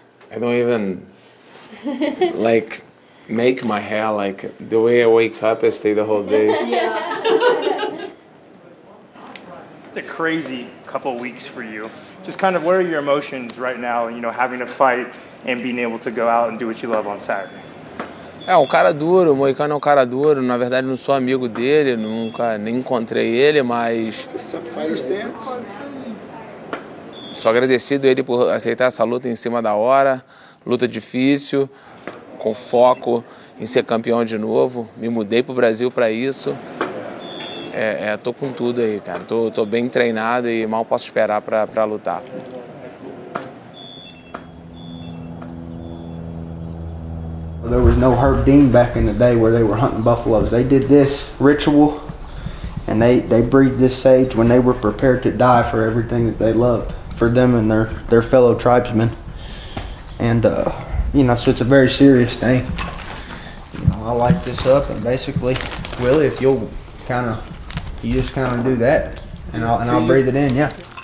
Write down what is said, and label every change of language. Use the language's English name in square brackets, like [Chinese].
[English] I don't even, like... make my hair, like, the way I wake up, I stay the whole day. It's a crazy couple of weeks for you. Just kind of, what are your emotions right now, you know, having to fight and being able to go out and do what you love on Saturday? [Portuguese] É, um cara duro, o Moicano é um cara duro. Na verdade, não sou amigo dele, nunca nem encontrei ele, mas... Sou agradecido a ele por aceitar essa luta em cima da hora, luta difícil. Com foco em ser campeão de novo. Me mudei pro Brasil para isso. Tô com tudo aí, cara. Tô bem treinado e mal posso esperar para lutar. [English] There was no Herb Dean back in the day where they were hunting buffaloes. They did this ritual and they breathed this sage when they were prepared to die for everything that they loved, for them and their fellow tribesmen. You know, so it's a very serious thing. You know, I'll light this up, and basically, Willie, if you'll kind of, you just kind of do that, and I'll breathe it in, yeah.